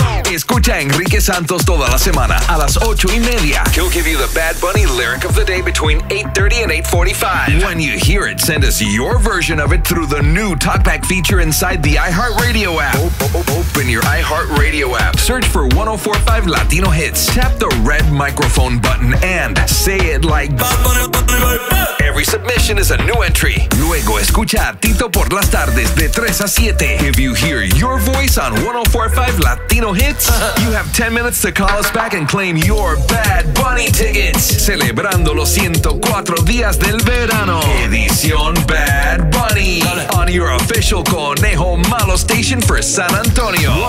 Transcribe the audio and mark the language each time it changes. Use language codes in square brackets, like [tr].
[es] Escucha a Enrique Santos toda la semana a las 8:30. [en] He'll give you the Bad Bunny lyric of the day between 8:30 and 8:45. When you hear it, send us your version of it through the new TalkBack feature inside the iHeartRadio app. Open your iHeartRadio app. Search for 104.5 Latino Hits. Tap the red microphone button and say it like Bad Bunny. Every submission is a new entry. [es] Luego escucha a Tito por las tardes de 3 a 7. [en] If you hear your voice on 104.5 Latino Hits, you have 10 minutes to call us back and claim your Bad Bunny tickets. [es] Celebrando los 104 días del verano. Edición Bad Bunny. [en] On your official Conejo Malo station for San Antonio.